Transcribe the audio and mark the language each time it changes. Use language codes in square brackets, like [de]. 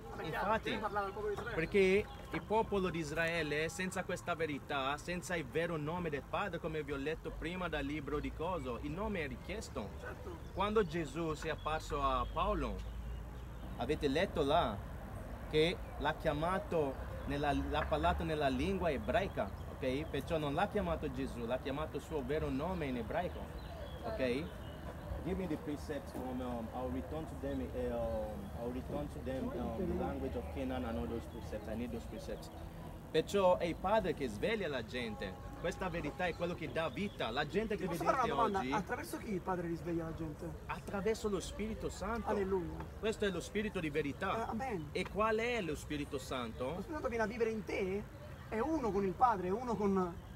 [it] Infatti, perché il popolo di Israele, senza questa verità, senza il vero nome del Padre, come vi ho letto prima dal libro di Coso, il nome è richiesto. Quando Gesù si è apparso a Paolo, avete letto là che l'ha chiamato, l'ha parlato nella lingua ebraica, ok? Perciò non l'ha chiamato Gesù, l'ha chiamato il suo vero nome in ebraico, ok? [en] Give me the precepts from I'll return to them the language of Canaan. I know those precepts, I need those precepts. [it] Perciò è il Padre che sveglia la gente. Questa verità è quello che dà vita. La gente che vedete domanda, oggi... Attraverso chi il Padre risveglia la gente? Attraverso lo Spirito Santo. Alleluia. Questo è lo Spirito di verità. Amen. E qual è lo Spirito Santo? Lo Spirito Santo viene a vivere in te. È uno con il Padre, è uno con